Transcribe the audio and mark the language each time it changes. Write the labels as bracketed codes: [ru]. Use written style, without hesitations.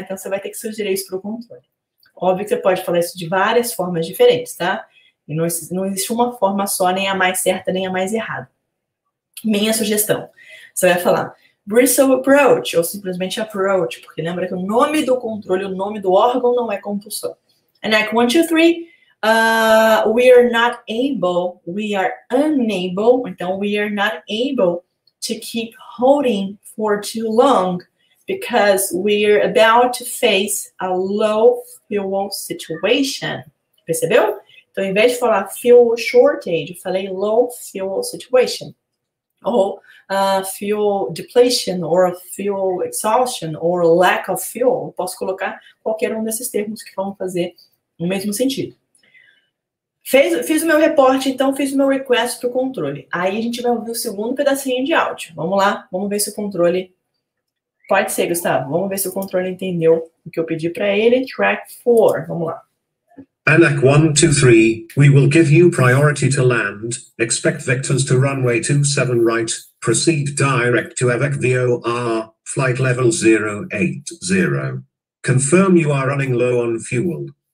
[pt] Então, você vai ter que sugerir isso para o controle. Óbvio que você pode falar isso de várias formas diferentes, tá? E não existe uma forma só, nem a mais certa, nem a mais errada. Minha sugestão. Você vai falar Bristol Approach, ou simplesmente Approach, porque lembra que o nome do controle, o nome do órgão não é compulsor. [en] ANAC 123, we are unable, [pt] então [en] we are not able to keep holding for too long because we're about to face a low fuel situation. [pt] Percebeu? Então, em vez de falar fuel shortage, eu falei low fuel situation. Ou fuel depletion, ou fuel exhaustion, ou lack of fuel. Eu posso colocar qualquer um desses termos que vão fazer o mesmo sentido. Fiz o meu reporte, então fiz o meu request para o controle. Aí a gente vai ouvir o segundo pedacinho de áudio. Vamos lá, vamos ver se o controle... Pode ser, Gustavo. Vamos ver se o controle entendeu o que eu pedi para ele. Track 4, vamos lá. [en] ANAC 123, we will give you priority to land. Expect vectors to runway 27 right. Proceed direct to AVEC VOR, flight level 080. Confirm you are running low on fuel.